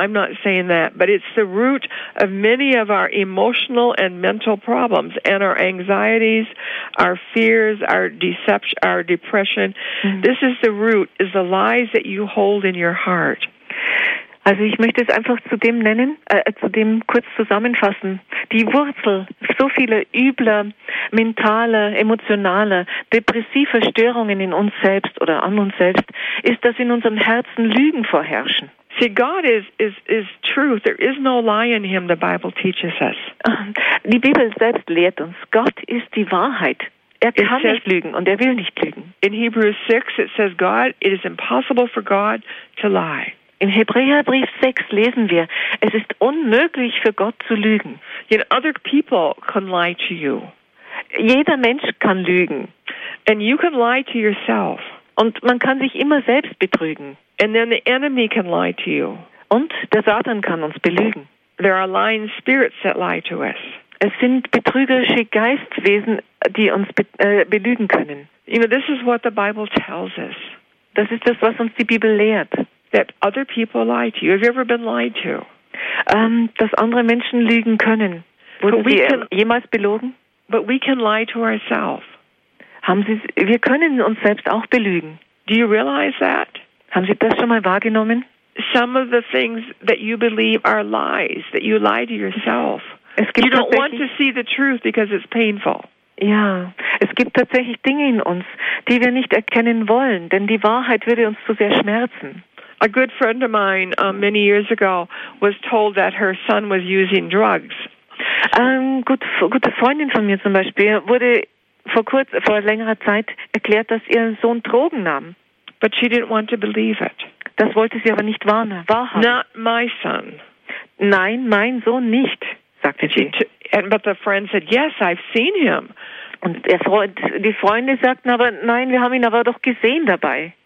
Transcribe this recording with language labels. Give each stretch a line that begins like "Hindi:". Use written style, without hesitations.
English: I'm not saying that, but it's the root of many of our emotional and mental problems and our anxieties, our fears, our depression. Mm-hmm. This is the root, is the lies that you hold in your heart.
German: Also ich möchte es einfach zu dem nennen, zu dem kurz zusammenfassen. Die Wurzel so vieler übler, mentaler, emotionaler, depressiver Störungen in uns selbst oder an uns selbst ist, dass in unserem Herzen Lügen vorherrschen.
English: See, God is truth. There is no lie in him, the Bible teaches us.
German: Die Bibel selbst lehrt uns, Gott ist die Wahrheit. Er kann nicht lügen und er will nicht lügen.
English: In Hebrews 6 it says God, it is impossible for God to lie.
German: Im Hebräerbrief 6 lesen wir, es ist unmöglich für Gott zu lügen.
English: You know, other people can lie to you.
German: Jeder Mensch kann lügen.
English: And you can lie to yourself.
German: Und man kann sich immer selbst betrügen.
English: And then the enemy can lie to you.
German: Und der Satan kann uns belügen.
English: There are lying spirits that lie to us.
German: Es sind betrügerische Geistwesen, die uns belügen können.
English: You know, this is what the Bible tells us.
German: Das ist das, was uns die Bibel lehrt.
English: That other people lie to you. Have you ever been lied to?
German: Dass andere Menschen lügen können. Wurden Sie jemals belogen?
English: But we can lie to ourselves.
German: Wir können uns selbst auch belügen.
English: Do you realize that?
German: Haben Sie das schon mal wahrgenommen?
English: Some of the things that you believe are lies, that you lie to yourself.
German: Es gibt
English: you don't want to see the truth because it's painful.
German: Ja, es gibt tatsächlich Dinge in uns, die wir nicht erkennen wollen, denn die Wahrheit würde uns zu sehr schmerzen.
English: A good friend of mine many years ago was told that her son was using drugs.
German: Gute Freundin von mir zum Beispiel wurde vor längerer Zeit erklärt, dass ihr Sohn Drogen nahm.
English: But she didn't want to believe it.
German: Das wollte sie aber nicht wahrhaben.
English: Not my son.
German: Nein, mein Sohn nicht, sagte sie.
English: But the friend said, yes, I've seen him.
German: Und die Freunde sagten aber, nein, wir haben ihn aber doch gesehen dabei.